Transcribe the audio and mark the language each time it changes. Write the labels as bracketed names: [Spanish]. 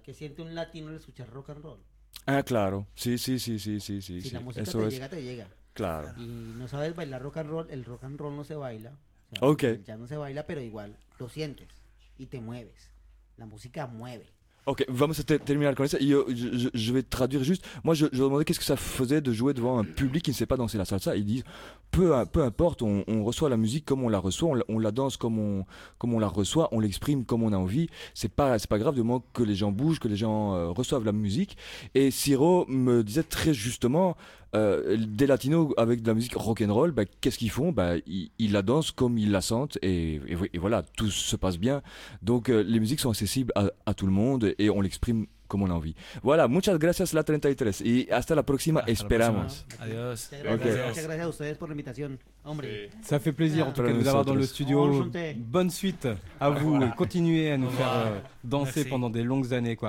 [Spanish] ¿Qué siente un latino al escuchar rock and roll? Ah, claro. Sí. Si la música eso te es... llega, te llega. Claro. Y no sabes bailar rock and roll, el rock and roll no se baila. O sea, ok. Ya no se baila, pero igual lo sientes y te mueves. La música mueve. Ok, vamos a terminar con eso. Yo voy a traducir justo. [French] Moi, je me demandé qué es que ça faisait de jouer devant un public qui ne sait pas danser la salsa. Ils disent, peu importe, on reçoit la musique comme on la reçoit, on la danse comme on la reçoit, on l'exprime comme on a envie. C'est pas grave, du moment que les gens bougent, que les gens reçoivent la musique. Et Ciro me disait très justement, des latinos avec de la musique rock'n'roll, bah, qu'est-ce qu'ils font? Bah, ils la dansent comme ils la sentent et voilà, tout se passe bien. Donc les musiques sont accessibles à tout le monde et on l'exprime comme on a envie. Voilà, [Spanish] muchas gracias la 33 y hasta la próxima, esperamos. Adiós. Okay. Muchas gracias a ustedes por la invitación, hombre. Sí. [French] Ça fait plaisir en tout cas de vous avoir dans le studio. Bonne suite à vous et continuez à nous faire danser pendant des longues années, quoi.